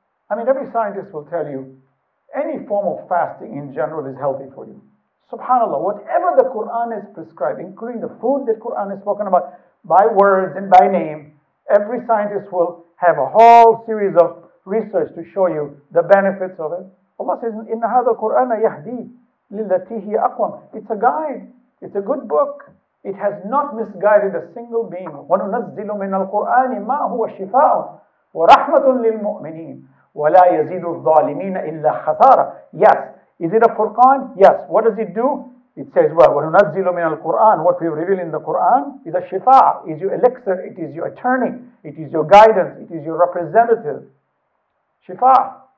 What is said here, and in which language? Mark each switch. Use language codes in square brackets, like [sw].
[en] I mean, every scientist will tell you, any form of fasting in general is healthy for you. SubhanAllah, whatever the Quran has prescribed, including the food that Quran has spoken about, by words and by name, every scientist will have a whole series of research to show you the benefits of it. Allah says, [ar] إِنَّ هَذَا الْقُرْآنَ يَهْدِي لِلَّتِي هِيَ أَقْوَمْ. [en] It's a guide, it's a good book. It has not misguided a single being. [ar] وَنُنَزِّلُ مِنَ الْقُرْآنِ مَا هُوَ الشِّفَاءُ وَرَحْمَةٌ لِلْمُؤْمِنِينَ وَلَا يَزِيدُ الظَّالِمِينَ إِلَّا خَسَارًا. [en] Yes. Is it a Qur'an? Yes. What does it do? It says, well, [ar] وَنُنَزِّلُ مِنَ الْقُرْآنِ. [en] What we reveal in the Qur'an is a shifa'a, is your elixir, it is your attorney, it is your guidance, it is your representative. Shifa'a.